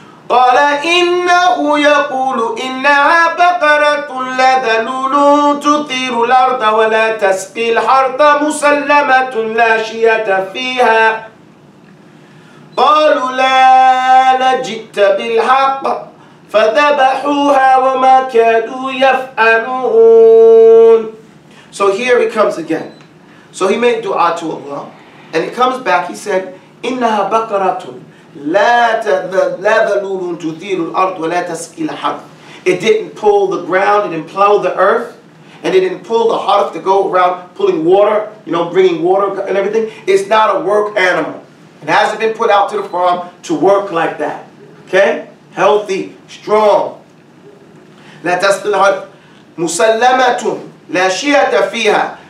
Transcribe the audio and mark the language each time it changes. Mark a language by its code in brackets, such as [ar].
[ar] قَالَ إِنَّهُ يَقُولُ إِنَّهَا بَقَرَةٌ لَذَلُولٌ تُثِيرُ الْأَرْضَ وَلَا تَسْقِي الْحَرْثَ مُسَلَّمَةٌ لَا شِيَةَ فِيهَا قَالُوا لَا لَجِئْتَ بِالْحَقِّ فَذَبَحُوهَا وَمَا كَادُوا يَفْعَلُونَ. [en] So here he comes again. So he made dua to Allah, and he comes back. He said, [ar] إِنَّهَا بَقَرَةٌ لَا ذَلُولٌ تُثِيرُ الْأَرْضُ وَلَا تَسْقِي الْحَرْثَ. [en] It didn't pull the ground, it didn't plow the earth, and it didn't pull the hearth to go around pulling water, you know, bringing water and everything. It's not a work animal. It hasn't been put out to the farm to work like that. Okay? Healthy, strong. [ar] لَا تَسْقِي الْحَرْثَ مُسَلَّمَةٌ لَا شِيَةَ فِيهَا.